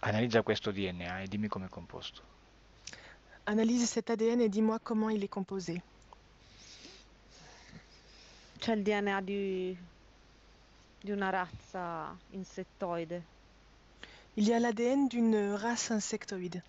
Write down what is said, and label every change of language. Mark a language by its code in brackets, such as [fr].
[it] Analizza questo DNA e dimmi com'è composto. [fr] Analyse cet ADN et dis-moi comment il est composé. [it] C'è il DNA di una razza insettoide. [fr] Il y a l'ADN d'une race insectoïde.